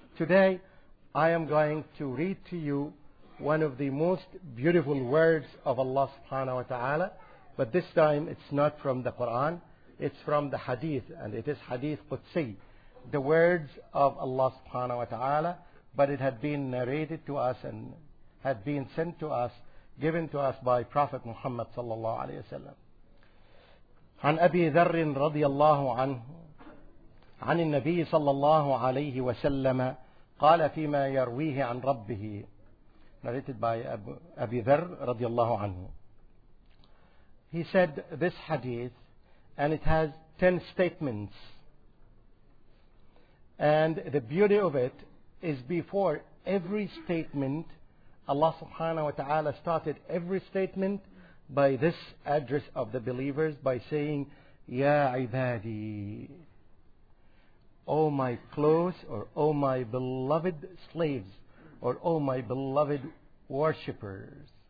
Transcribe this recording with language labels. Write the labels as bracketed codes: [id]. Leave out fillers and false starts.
[en] Today, I am going to read to you one of the most beautiful words of Allah subhanahu wa ta'ala, but this time it's not from the Quran, it's from the hadith, and it is hadith Qudsi, the words of Allah subhanahu wa ta'ala, but it had been narrated to us and had been sent to us, given to us by Prophet Muhammad sallallahu alayhi wa sallam. [ar] عن أبي ذر رضي الله عنه عن النبي صلى الله عليه وسلم قال فيما يرويه عن ربه. [en] Narrated by Abi Dharr radiallahu anhu. He said this hadith, and it has 10 statements. And the beauty of it is before every statement, Allah subhanahu wa ta'ala started every statement by this address of the believers by saying, [ar] Ya ibadi, [en] O my close or O my beloved slaves or O my beloved worshippers.